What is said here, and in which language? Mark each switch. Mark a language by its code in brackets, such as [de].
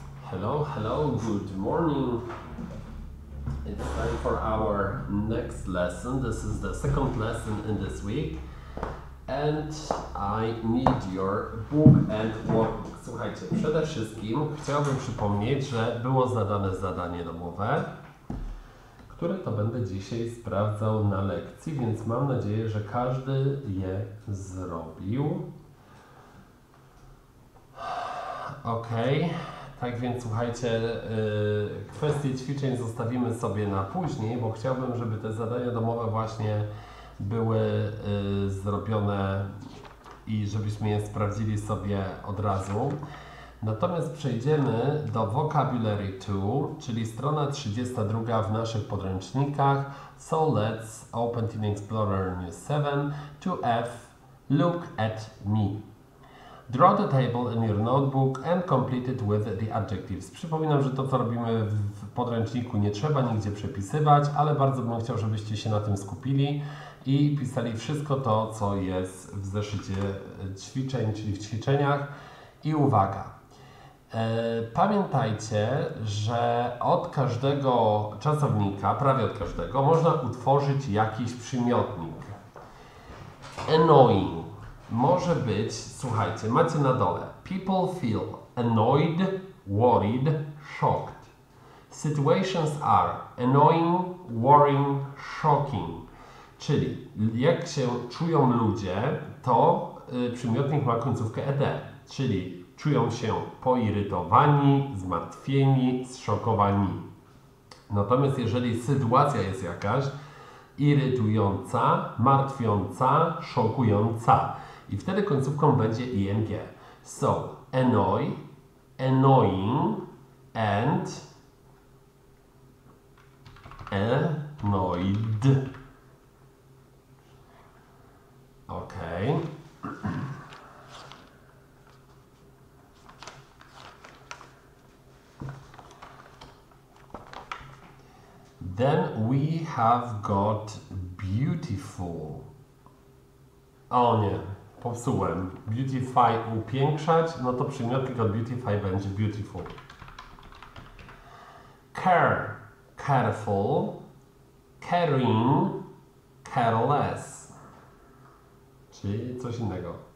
[en] Hello, hello, good morning. It's time for our next lesson. This is the second lesson in this week. And I need your book and workbook. [pl] Słuchajcie, przede wszystkim chciałbym przypomnieć, że było zadane zadanie domowe, które to będę dzisiaj sprawdzał na lekcji, więc mam nadzieję, że każdy je zrobił. Ok. Tak więc słuchajcie, kwestie ćwiczeń zostawimy sobie na później, bo chciałbym, żeby te zadania domowe właśnie były zrobione i żebyśmy je sprawdzili sobie od razu. Natomiast przejdziemy do Vocabulary 2, czyli strona 32 w naszych podręcznikach. [en] So let's open in Explorer New 7 to F, look at me. Draw the table in your notebook and complete it with the adjectives. [pl] Przypominam, że to, co robimy w podręczniku, nie trzeba nigdzie przepisywać, ale bardzo bym chciał, żebyście się na tym skupili i pisali wszystko to, co jest w zeszycie ćwiczeń, czyli w ćwiczeniach. I uwaga! Pamiętajcie, że od każdego czasownika, prawie od każdego, można utworzyć jakiś przymiotnik. Annoying. Może być, słuchajcie, macie na dole. [en] People feel annoyed, worried, shocked. Situations are annoying, worrying, shocking. [pl] Czyli jak się czują ludzie, to przymiotnik ma końcówkę ed. Czyli czują się poirytowani, zmartwieni, zszokowani. Natomiast jeżeli sytuacja jest jakaś irytująca, martwiąca, szokująca, i wtedy końcówką będzie ing. [en] So, annoy, annoying, and annoyed. Ok. Then we have got beautiful. [pl] O nie. Popsułem. Beautify upiększać, no to przymiotnik od beautify będzie beautiful. [en] Care, careful. Caring, careless. [pl] Czy coś innego.